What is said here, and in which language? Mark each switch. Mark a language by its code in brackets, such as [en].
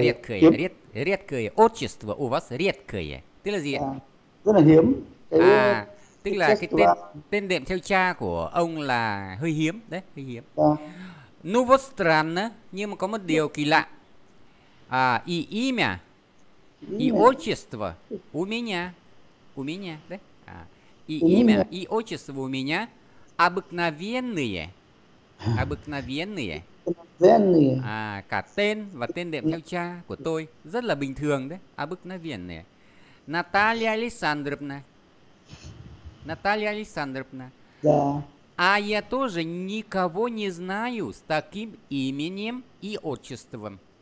[ru] Редкое, редкое. Отчество у вас редкое. [vi] Tức là gì ạ? Rất là hiếm. Cái Tức là cái tên tên đệm theo cha của ông là hơi hiếm đấy, hơi hiếm. [ru] Да. Ну вот странно, [vi] nhưng mà có một điều kỳ лạ. [ru] И имя, и Имя. отчество у меня đấy. И имя, Имя. и отчество у меня обыкновенные, обыкновенные. Венные. [vi] Cả tên và tên đệm theo cha của tôi rất là bình thường đấy, обыкновенные. [ru] Наталья Александровна. Наталья Александровна, Да. а я тоже никого не знаю с таким именем и отчеством.